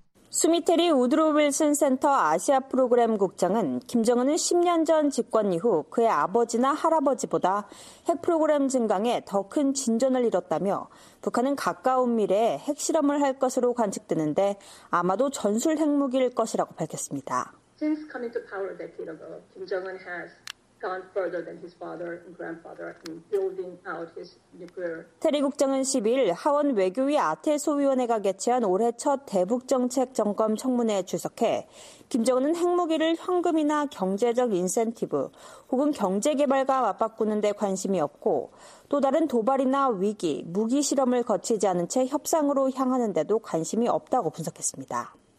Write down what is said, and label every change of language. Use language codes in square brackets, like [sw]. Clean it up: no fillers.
[ko] 수미테리 우드로 윌슨 센터 아시아 프로그램 국장은 김정은은 10년 전 집권 이후 그의 아버지나 할아버지보다 핵 프로그램 증강에 더 큰 진전을 이뤘다며 북한은 가까운 미래에 핵실험을 할 것으로 관측되는데 아마도 전술 핵무기일 것이라고 밝혔습니다. [en] Since coming to power a decade ago, Kim Jong-un has gone further than his father and grandfather in building out his nuclear. [ko] 테리 국장은 12일 하원 외교위 아테소 위원회가 개최한 올해 첫 대북 정책 점검 청문회에 출석해 김정은은 핵무기를 현금이나 경제적 인센티브 혹은 경제 개발과 맞바꾸는 데 관심이 없고 또 다른 도발이나 위기, 무기 실험을 거치지 않은 채 협상으로 향하는 데도 관심이 없다고 분석했습니다.